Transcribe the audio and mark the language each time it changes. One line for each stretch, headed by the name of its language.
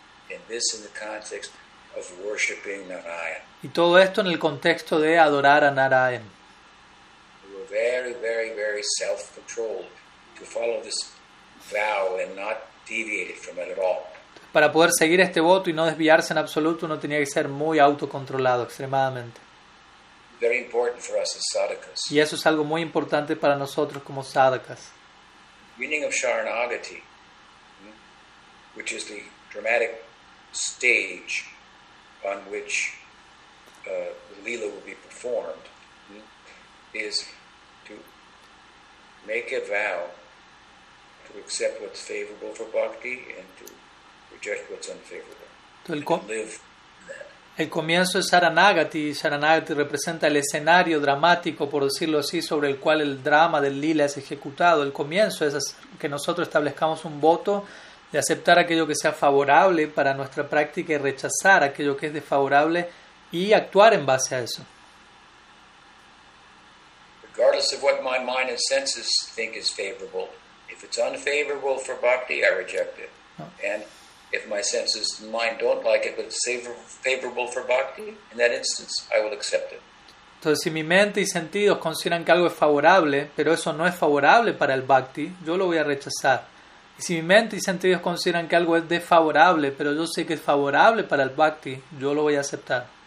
English: And this in the context of worshiping Narayan.
Spanish: Y todo esto en el contexto de adorar a Narayan.
English: They were very, very, very self-controlled to follow this vow and not deviate from it at all.
Spanish: Para poder seguir este voto y no desviarse en absoluto, uno tenía que ser muy autocontrolado, extremadamente.
English: Very important for us as sadhakas.
Spanish: Y eso es algo muy importante para nosotros como sadhakas.
English: The meaning of Sharanagati, which is the dramatic stage on which the lila will be performed, is to make a vow to accept what's favorable for bhakti and to reject what's unfavorable.
Spanish: El comienzo es Saranagati. Saranagati representa el escenario dramático, por decirlo así, sobre el cual el drama del lila es ejecutado. El comienzo es que nosotros establezcamos un voto de aceptar aquello que sea favorable para nuestra práctica y rechazar aquello que es desfavorable y actuar en base a eso.
English: Regardless of what my mind and senses think is favorable, if it's unfavorable for bhakti, I reject it. And if my senses and mind don't like it, but it's favorable for bhakti, in that instance, I will accept it.
Spanish: Entonces, si mi mente y sentidos consideran que algo es favorable, pero eso no es favorable para el bhakti, yo lo voy a rechazar. Si mi mente y sentidos consideran que algo es desfavorable, pero yo sé que es favorable para el bhakti, yo lo voy a aceptar.